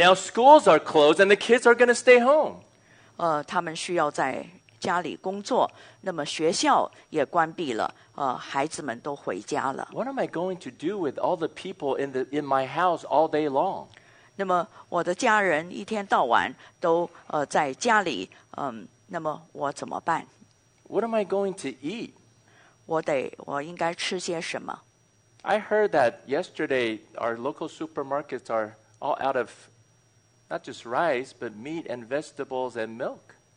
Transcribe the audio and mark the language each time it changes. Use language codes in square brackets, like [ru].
[en] Now schools are closed and the kids are going to stay home [zh] 他们需要在家里工作那么学校也关闭了孩子们都回家了 [en] What am I going to do with all the people in my house all day long? [zh] 那么我的家人一天到晚都在家里那么我怎么办 [en] What am I going to eat? [zh] 我应该吃些什么 [en] I heard that yesterday our local supermarkets are all out of not just rice, but meat and vegetables and milk.